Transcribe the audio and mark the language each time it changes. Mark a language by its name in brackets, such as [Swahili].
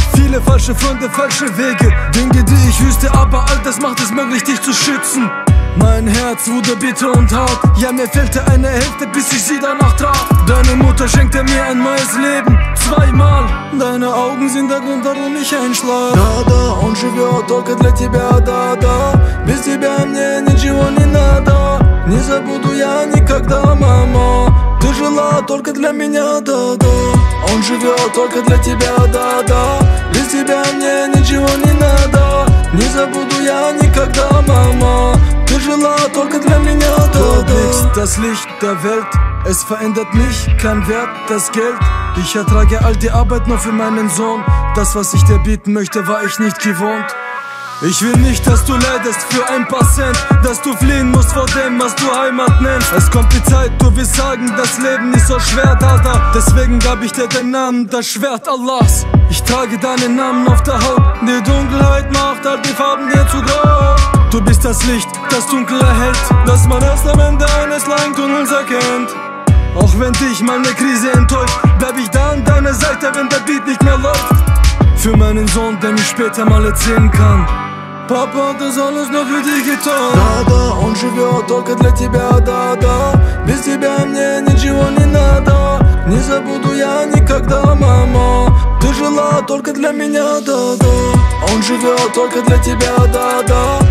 [German] Viele falsche Freunde, falsche Wege. Dinge, die ich wüsste, aber all das macht es möglich, dich zu schützen. Mein Herz wurde bitter und hart. Ja, mir fehlte eine Hälfte, bis ich sie danach traf. Deine Mutter schenkte mir ein neues Leben, zweimal. Deine Augen sind der Grund, warum ich einschlafe. [Russian] Da, он живет, только для тебя, да. Без тебя мне ничего не надо. Не забуду я никогда, мама. Ты жила только для меня, да. Он живет только для тебя, да. Без тебя мне ничего не надо. Не забуду я никогда, мама. Ты жила только для меня, да. [German] Das Licht der Welt, es verändert mich, kein Wert, das Geld. Ich ertrage all die Arbeit nur für meinen Sohn. Das, was ich dir bieten möchte, war ich nicht gewohnt. Ich will nicht, dass du leidest für ein paar Cent. Dass du fliehen musst vor dem, was du Heimat nennst. Es kommt die Zeit, du wirst sagen, das Leben ist so schwer, Dada. Deswegen gab ich dir den Namen, das Schwert Allahs. Ich trage deinen Namen auf der Haut. Die Dunkelheit macht all die Farben dir zu grau. Du bist das Licht, das Dunkel erhält. Dass man erst am Ende eines langen Tunnels erkennt. Auch wenn dich meine Krise enttäuscht, bleib ich da an deiner Seite, wenn der Beat nicht mehr läuft. Für meinen Sohn, den ich später mal erzählen kann. Papa, das alles nur für dich getan. [Russian] Да, он живет только для тебя, да. Без тебя мне ничего не надо. Не забуду я никогда, мама. Ты жила только для меня, да. Он живет только для тебя, да.